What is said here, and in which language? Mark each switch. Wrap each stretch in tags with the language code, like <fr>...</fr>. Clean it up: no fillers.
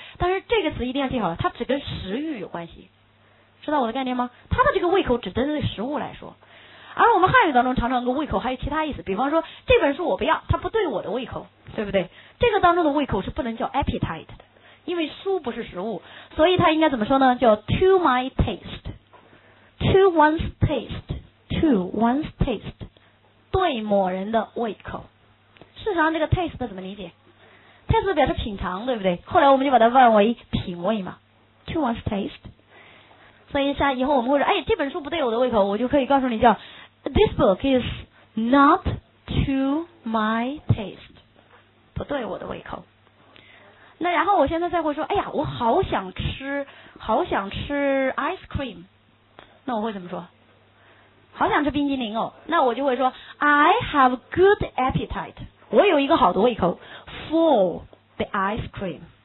<zh>但是这个词一定要记好了，它只跟食欲有关系，知道我的概念吗？它的这个胃口只针对食物来说。而我们汉语当中常常跟胃口还有其他意思，比方说这本书我不要，它不对我的胃口，对不对？这个当中的胃口是不能叫 appetite 的，因为书不是食物，所以它应该怎么说呢？</zh> <en>叫 to my tasteTo one's taste, to one's taste，</en> <zh>对某人的胃口。事实上，这个 taste 怎么理解 ？taste 表示品尝，对不对？后来我们就把它换为品味嘛。To one's taste， 所以像以后我们会说，哎，这本书不对我的胃口，我就可以告诉你叫 ，</zh> <en>This book is not to my taste，</en> <zh>不对我的胃口。那然后我现在再会说，哎呀，我好想吃，好想吃 ice cream。那我会怎么说？好想吃冰激凌哦。那我就会说</zh> <en>I have good appetite，</en> <zh>我有一个好的胃口</zh> <en>for the ice cream。</en>